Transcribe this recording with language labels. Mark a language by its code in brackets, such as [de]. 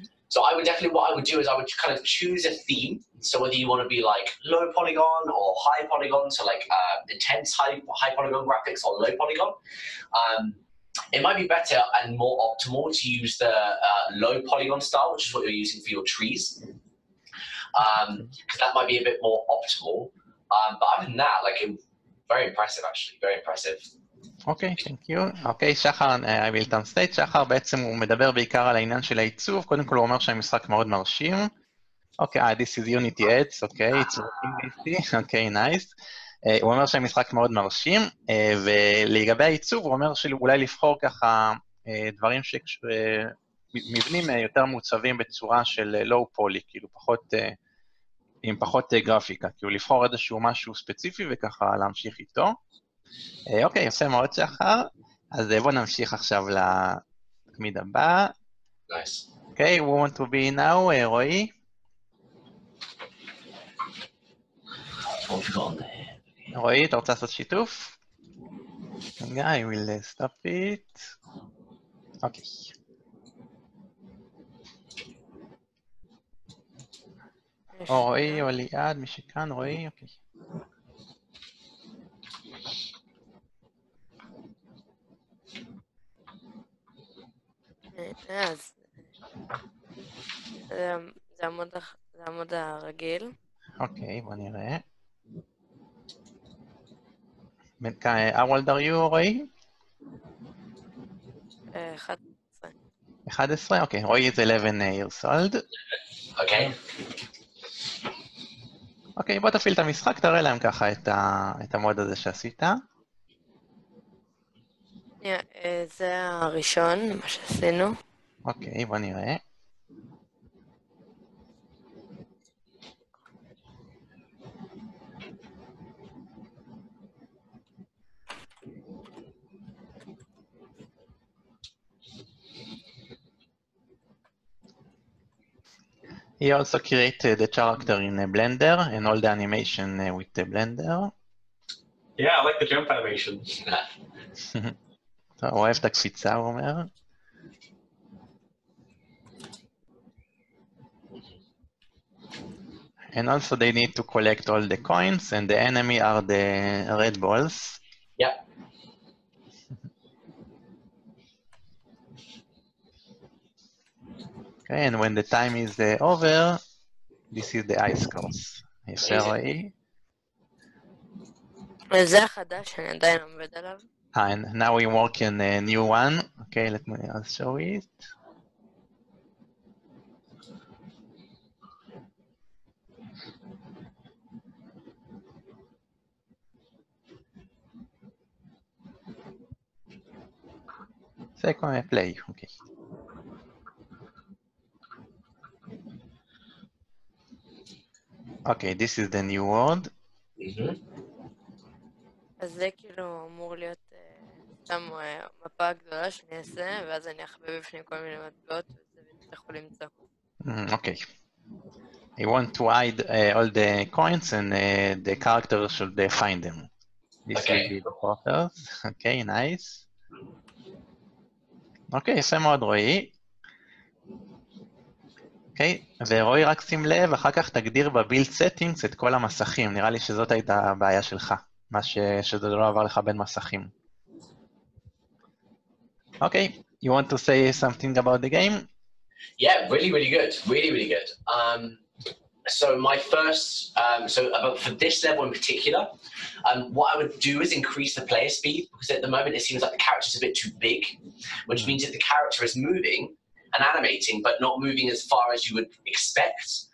[en] So I would definitely, what I would do is I would kind of choose a theme. So whether you want to be like low polygon or high polygon, so like intense high polygon graphics or low polygon, it might be better and more optimal to use the low polygon style, which is what you're using for your trees. Because that might be a bit more optimal. But other than that, like, very impressive, actually, very impressive. אוקיי, thank you. אוקיי, שחר, I will translate. [he] שחר בעצם הוא מדבר בעיקר על העניין של העיצוב, קודם כל הוא אומר שהמשחק מאוד מרשים. [en] אוקיי, this is Unity Ads, אוקיי, it's Unity, אוקיי, nice. [he] הוא אומר שהמשחק מאוד מרשים, ולגבי העיצוב הוא אומר שאולי לבחור ככה דברים שמבנים יותר מוצבים בצורה של low poly, כאילו פחות, עם פחות גרפיקה, כאילו לבחור איזשהו משהו ספציפי וככה להמשיך איתו. אוקיי, יפה מאוד שחר, אז בואו נמשיך עכשיו לתקמיד הבא. [en] Nice. אוקיי, we want to be now, רואי. [he] רואי, אתה רוצה לעשות שיתוף? רגע, [en] I will stop it. [he] אוקיי. רואי, עוליעד, מי שכאן, רואי, אוקיי. אז זה עמוד הרגיל. אוקיי, בוא נראה. [en] מנקאי, how old are you, רואי? 11. 11? אוקיי, רואי is 11 years old. [he] אוקיי. אוקיי, בוא תפעיל את המשחק, תראה להם ככה את המוד הזה שעשית. זה הראשון, מה שעשינו. אוקיי, בוא נראה. [en] He also created the character in Blender and all the animation with the Blender. Yeah, I like the jump animation. [he] הוא אוהב את הקפיצה, הוא אומר. [en] And also they need to collect all the coins and the enemy are the red balls. Yeah. Okay, and when the time is over, this is the ice course. [he] יפה רואי. זה החדש שאני עדיין עומד עליו. [en] And now we work in a new one. Okay, let me show it. Second play, okay. אוקיי, this is the new world. [he] אז זה כאילו אמור להיות סתם מפה הגדולה שאני אעשה, ואז אני אחבב בפנים כל מיני מטבעות, וזה יצטרכו למצוא. אוקיי. [en] I want to hide all the coins and the character should find them. This will be the quarters. אוקיי, nice. [he] אוקיי, יפה מאוד רואי. אוקיי, ורואי רק שים לב, אחר כך תגדיר בבילד סטינגס את כל המסכים, נראה לי שזאת הייתה הבעיה שלך, מה שזה לא עבר לך בין מסכים. [en] אוקיי, you want to say something about the game? Yeah, really, really good, really, really good. So my first, so about for this level in particular, what I would do is increase the player speed, because at the moment it seems like the character is a bit too big, which means if the character is moving, and animating, but not moving as far as you would expect.